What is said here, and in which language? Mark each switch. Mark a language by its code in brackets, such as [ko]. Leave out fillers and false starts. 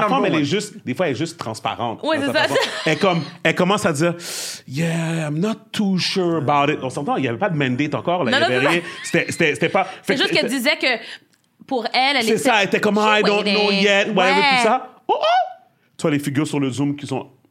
[fr] elle est juste, des fois, elle est juste transparente. Oui, c'est ça. Elle commence à dire, [en] yeah, I'm not too sure about it. [fr] On s'entend, il n'y avait pas de mandate encore. Là, non. C'était pas... C'est juste qu'elle disait que pour elle, elle était... C'est ça, elle était comme, [en] I don't know yet, [fr] whatever, tout ça. Oh, oh! Tu vois les figures sur le Zoom qui sont...